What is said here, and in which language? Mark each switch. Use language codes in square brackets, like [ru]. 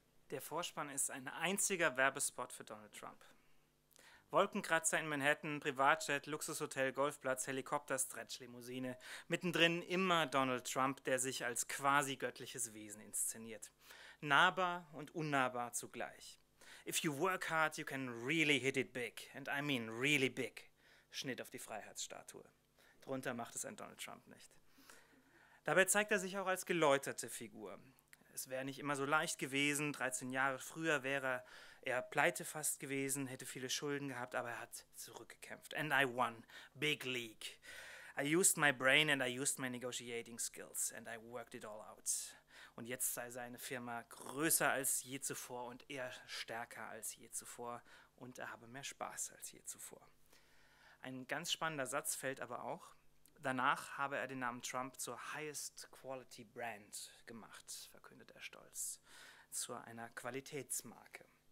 [de] Der Vorspann ist ein einziger Werbespot für Donald Trump. Wolkenkratzer in Manhattan, Privatjet, Luxushotel, Golfplatz, Helikopter, Stretch-Limousine. Mittendrin immer Donald Trump, der sich als quasi göttliches Wesen inszeniert. Nahbar und unnahbar zugleich. [en] If you work hard, you can really hit it big. And I mean really big. [de] Schnitt auf die Freiheitsstatue. Drunter macht es ein Donald Trump nicht. Dabei zeigt er sich auch als geläuterte Figur. Es wäre nicht immer so leicht gewesen, 13 Jahre früher wäre er pleite fast gewesen, hätte viele Schulden gehabt, aber er hat zurückgekämpft. [en] And I won, big league. I used my brain and I used my negotiating skills and I worked it all out. [de] Und jetzt sei seine Firma größer als je zuvor und er stärker als je zuvor und er habe mehr Spaß als je zuvor. Ein ganz spannender Satz fällt aber auch. Danach habe er den Namen Trump zur Highest Quality Brand gemacht, verkündet er stolz, zu einer Qualitätsmarke.